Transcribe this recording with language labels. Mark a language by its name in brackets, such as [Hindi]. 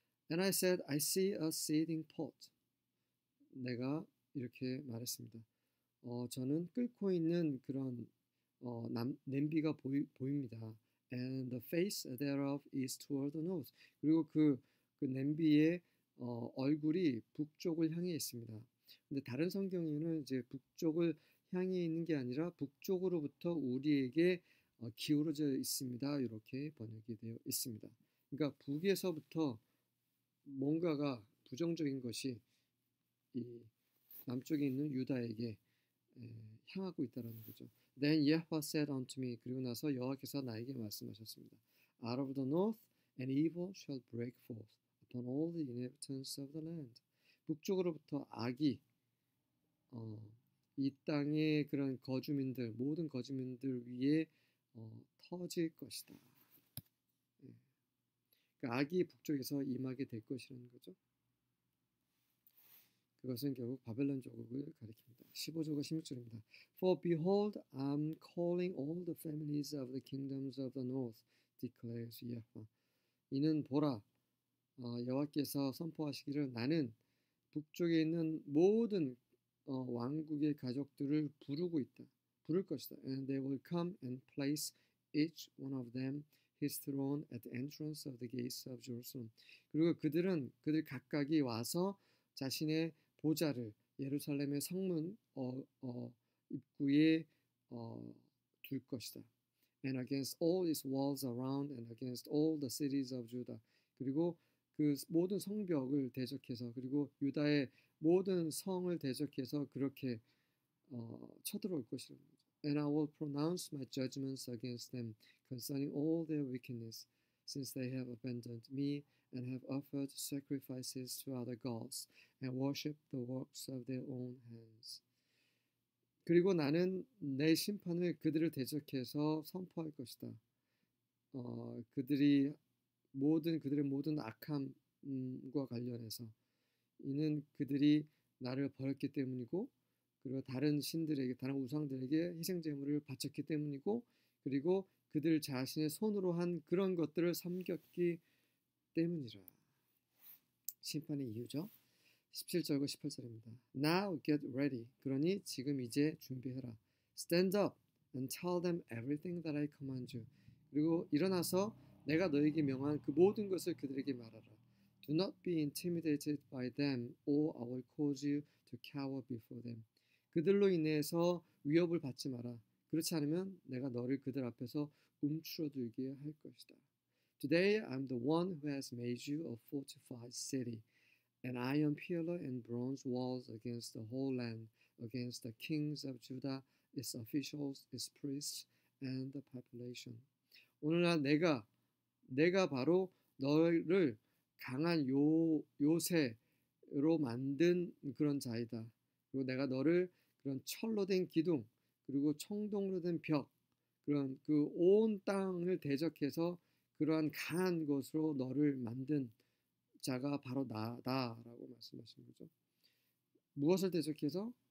[English] And I said, I see a seeding pot. [Korean] 내가 이렇게 말했습니다. 저는 끓고 있는 그런 냄비가 보입니다. [English] And the face thereof is toward the north. [Korean] 그리고 그 냄비의 얼굴이 북쪽을 향해 있습니다. 근데 다른 성경에는 이제 북쪽을 향해 있는 게 아니라 북쪽으로부터 우리에게 기울어져 있습니다. 이렇게 번역이 되어 있습니다. 그러니까 북에서부터 뭔가가 부정적인 것이 이 남쪽에 있는 유다에게 향하고 있다는 거죠. [English] Then Yahweh said unto me. [Korean] 그리고 나서 여호와께서 나에게 말씀하셨습니다. [English] Out of the north an evil shall break forth upon all the inhabitants of the land. [Korean] 북쪽으로부터 악이 이 땅의 그런 거주민들, 모든 거주민들 위에 터질 것이다. 악이 북쪽에서 임하게 될 것이라는 거죠. 그것은 결국 바벨론 조국을 가리킵니다. 15절과 16절입니다. [English] For behold, I'm calling all the families of the kingdoms of the north, declares Yahweh. [Korean] 이는 보라, 여호와께서 선포하시기를 나는 북쪽에 있는 모든 왕국의 가족들을 부르고 있다. 부를 것이다. [English] And they will come and place each one of them His throne at the entrance of the gates of Jerusalem. [Korean] 그리고 그들 각각이 와서 자신의 보좌를 예루살렘의 성문 입구에 둘 것이다. [English] And against all its walls around and against all the cities of Judah. [Korean] 그리고 그 모든 성벽을 대적해서 그리고 유다의 모든 성을 대적해서 그렇게 쳐들어올 것이라는 거죠. [English] And I will pronounce my judgments against them concerning all their wickedness, since they have abandoned me and have offered sacrifices to other gods and worshipped the works of their own hands. [Korean] 그리고 나는 내 심판을 그들을 대적해서 선포할 것이다. 그들의 모든 악함과 관련해서 이는 그들이 나를 버렸기 때문이고. 그리고 다른 신들에게, 다른 우상들에게 희생제물을 바쳤기 때문이고, 그리고 그들 자신의 손으로 한 그런 것들을 섬겼기 때문이라. 심판의 이유죠. 17절과 18절입니다. [English] Now get ready. [Korean] 그러니 지금 이제 준비해라. [English] Stand up and tell them everything that I command you. [Korean] 그리고 일어나서 내가 너에게 명한 그 모든 것을 그들에게 말하라. [English] Do not be intimidated by them or I will cause you to cower before them. [Korean] 그들로 인해서 위협을 받지 마라. 그렇지 않으면 내가 너를 그들 앞에서 움츠러들게 할 것이다. [English] Today I'm the one who has made you a fortified city, an iron pillar and bronze walls against the whole land, against the kings of Judah its officials, its priests, and the population. [Korean] 오늘날 내가 바로 너를 강한 요새로 만든 그런 자이다. 그리고 내가 너를 그런 철로 된 기둥, 그리고 청동으로 된 벽, 그런 그온 땅을 대적해서 그러한 강한 것으로 너를 만든 자가 바로 나다라고 말씀하신 거죠. 무엇을 대적해서?